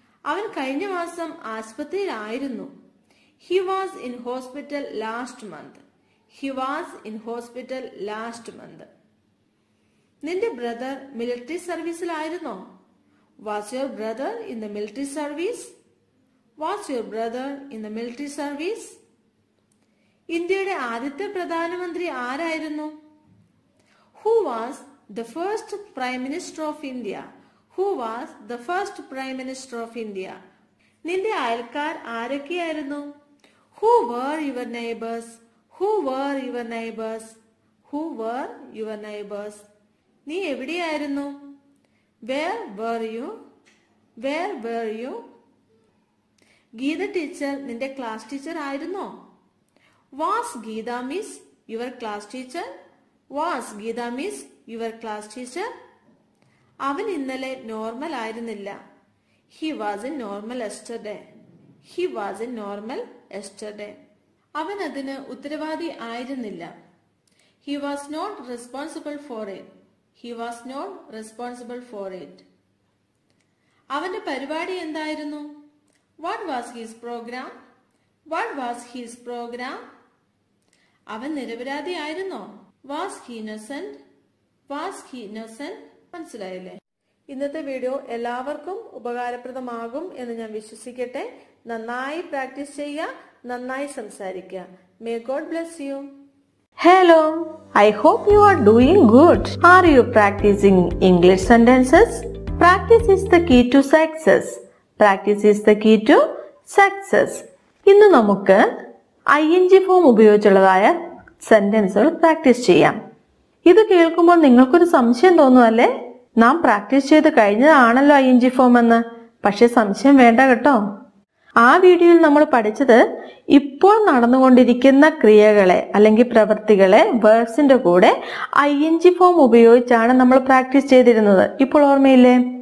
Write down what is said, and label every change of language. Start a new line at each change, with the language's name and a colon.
Malayalam: അവൻ കഴിഞ്ഞ മാസം ആശുപത്രിയിലായിരുന്നു.
English: He was in hospital last month. He was in hospital last month.
Malayalam: നിന്റെ brother military സർവീസിലായിരുന്നോ?
English: Was your brother in the military service? Was your brother in the military service?
Malayalam: ഇന്ത്യയുടെ ആദ്യത്തെ പ്രധാനമന്ത്രി ആരായിരുന്നു?
English: Who was the first prime minister of India. Who was the first prime minister of India?
Malayalam: നിന്റെ അയൽക്കാർ ആരൊക്കെയായിരുന്നു?
English: Who were your neighbors? Who were your neighbors? Who were your neighbors?
Malayalam: നീ എവിടെയായിരുന്നു?
English: Where were you? Where were you?
Malayalam: Geetha teacher നിന്റെ class teacher ആയിരുന്നോ?
English: Was Geeta miss your class teacher? Was Geeta miss your class teacher?
Malayalam: അവൻ ഇന്നലെ normal ആയിരുന്നില്ല.
English: He wasn't normal yesterday. He wasn't normal yesterday.
Malayalam: അവൻ അതിന് ഉത്തരവാദി ആയിരുന്നില്ല.
English: He was not responsible for it. He was not responsible for it.
Malayalam: അവന്റെ പരിപാടി എന്തായിരുന്നു?
English: What was his program? What was his program?
Malayalam: അവൻ നിരപരാധി ആയിരുന്നോ?
English: Was he innocent? Was he innocent?
Malayalam: മനസ്സിലായില്ലേ? ഇന്നത്തെ വീഡിയോ എല്ലാവർക്കും ഉപകാരപ്രദമാകും എന്ന് ഞാൻ വിശ്വസിക്കട്ടെ. നന്നായി പ്രാക്ടീസ് ചെയ്യുക, നന്നായി സംസാരിക്കുക.
English: May God bless you. Hello, I hope you are doing good. Are you practicing English sentences? Practice is the key to success. Practice is the key to success.
Malayalam: ഇന്ന് നമുക്ക് ing ഫോം ഉപയോഗിച്ചുള്ളതായ സെന്റൻസുകൾ പ്രാക്ടീസ് ചെയ്യാം. ഇത് കേൾക്കുമ്പോൾ നിങ്ങൾക്കൊരു സംശയം തോന്നുമല്ലേ, നാം practice ചെയ്ത് കഴിഞ്ഞതാണല്ലോ ing form എന്ന്. പക്ഷെ സംശയം വേണ്ട കേട്ടോ. ആ വീഡിയോയിൽ നമ്മൾ പഠിച്ചത് ഇപ്പോൾ നടന്നുകൊണ്ടിരിക്കുന്ന ക്രിയകളെ അല്ലെങ്കിൽ പ്രവൃത്തികളെ വേർഡ്സിന്റെ കൂടെ ing ഫോം ഉപയോഗിച്ചാണ് നമ്മൾ പ്രാക്ടീസ് ചെയ്തിരുന്നത്. ഇപ്പോൾ ഓർമ്മയില്ലേ?